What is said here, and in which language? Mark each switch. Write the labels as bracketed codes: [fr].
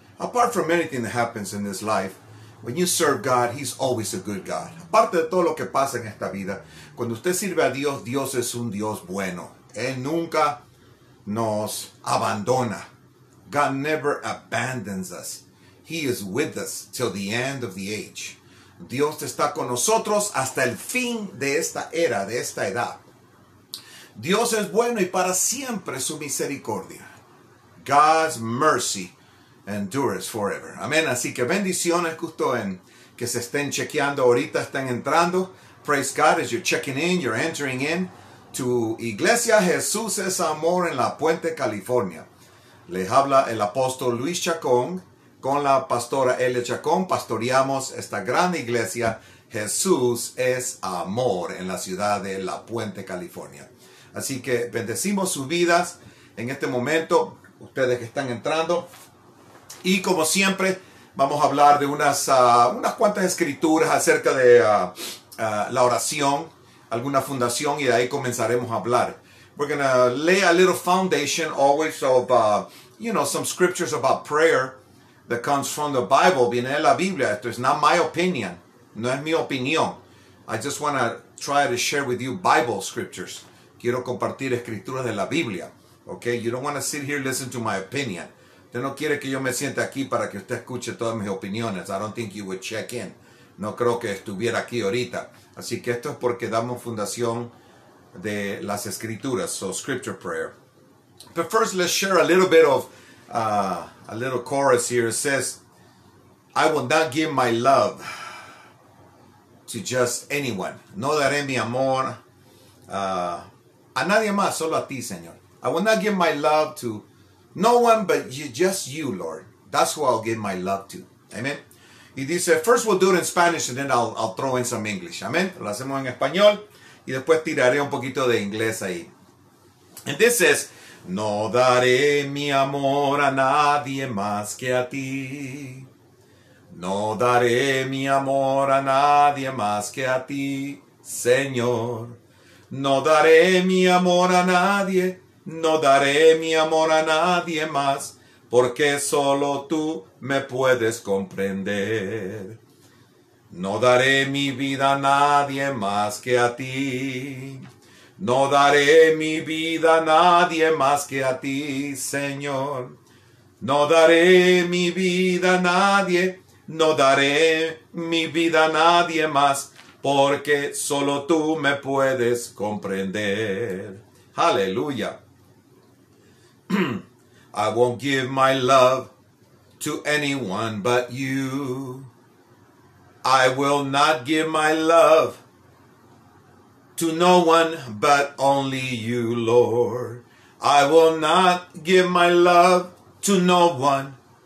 [en] Apart from anything that happens in this life, when you serve God, He's always a good God. [es] Aparte de todo lo que pasa en esta vida, cuando usted sirve a Dios, Dios es un Dios bueno. Él nunca nos abandona. [en] God never abandons us. He is with us till the end of the age. [es] Dios está con nosotros hasta el fin de esta era, de esta edad. Dios es bueno y para siempre su misericordia. [en] God's mercy endures forever. [es] Amén. Así que bendiciones, justo en que se estén chequeando ahorita, están entrando. [en] Praise God, as you're checking in, you're entering in to Iglesia Jesús es Amor en La Puente, California. [es] Les habla el apóstol Luis Chacón con la pastora Elia Chacón. Pastoreamos esta gran iglesia Jesús es Amor en la ciudad de La Puente, California. Así que bendecimos sus vidas en este momento, ustedes que están entrando. Y como siempre, vamos a hablar de unas cuantas escrituras acerca de la oración, alguna fundación, y de ahí comenzaremos a hablar. [en] We're going to lay a little foundation always of, some scriptures about prayer that comes from the Bible. [es] Viene de la Biblia. Esto es [en] not my opinion. [es] No es mi opinión. [en] I just want to try to share with you Bible scriptures. [es] Quiero compartir escrituras de la Biblia. [en] Okay? You don't want to sit here and listen to my opinion. [es] Usted no quiere que yo me siente aquí para que usted escuche todas mis opiniones. [en] I don't think you would check in. [es] No creo que estuviera aquí ahorita. Así que esto es porque damos fundación de las escrituras. [en] So, scripture prayer. But first, let's share a little bit of a little chorus here. It says, I will not give my love to just anyone. [es] No daré mi amor a nadie más, solo a ti, Señor. [en] I will not give my love to no one but you, just you, Lord. That's who I'll give my love to. Amen. [es] Y dice, [en] first we'll do it in Spanish and then I'll throw in some English. Amen. [es] Lo hacemos en español y después tiraré un poquito de inglés ahí. [en] And this is, [es] no daré mi amor a nadie más que a ti. No daré mi amor a nadie más que a ti, Señor. No daré mi amor a nadie. No daré mi amor a nadie más, porque solo tú me puedes comprender. No daré mi vida a nadie más que a ti. No daré mi vida a nadie más que a ti, Señor. No daré mi vida a nadie. No daré mi vida a nadie más, porque solo tú me puedes comprender. Aleluya. [en] I won't give my love to anyone but you. I will not give my love to no one but only you, Lord. I will not give my love to no one.